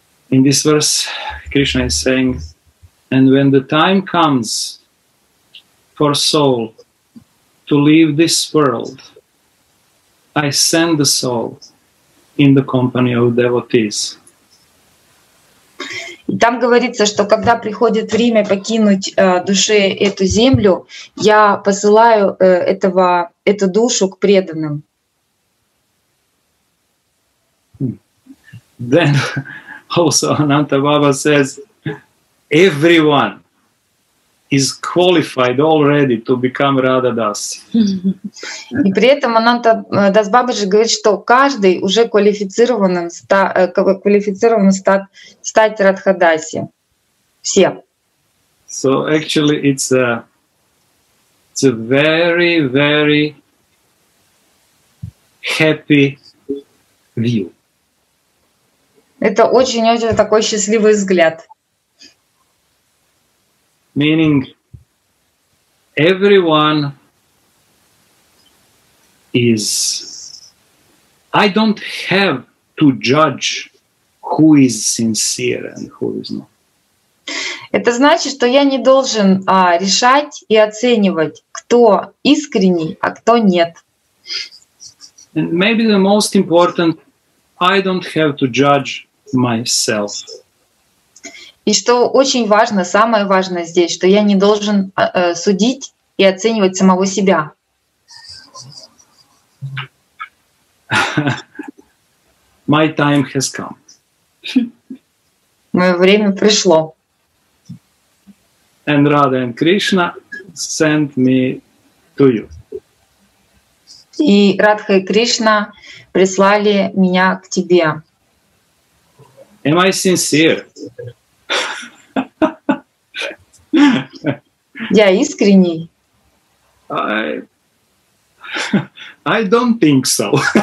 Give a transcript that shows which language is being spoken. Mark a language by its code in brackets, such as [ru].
[en] In this verse, Krishna is saying, and when the time comes for soul to leave this world, I send the soul in the company of devotees. [ru] И там говорится, что когда приходит время покинуть душе эту землю, я посылаю эту душу к преданным. [en] Then, also, Ananta Baba says, everyone is qualified already to become Radha Das. [ru] И при этом Ананта Дас Бабаджи говорит, что каждый уже квалифицирован стать Радха Даси. Все. [en] So actually, it's a very, very happy view. [ru] Это очень-очень такой счастливый взгляд. [en] Meaning everyone is... I don't have to judge who is sincere and who is not. [ru] Это значит, что я не должен решать и оценивать, кто искренний, а кто нет. [en] And maybe the most important, I don't have to judge myself. [ru] И что очень важно, самое важное здесь, что я не должен судить и оценивать самого себя. [en] My time has come. [ru] Мое время пришло. [en] And Radha and Krishna sent me to you. [ru] И Радха и Кришна прислали меня к тебе. [en] Am I sincere? [ru] Я искренний? [en] I don't think so.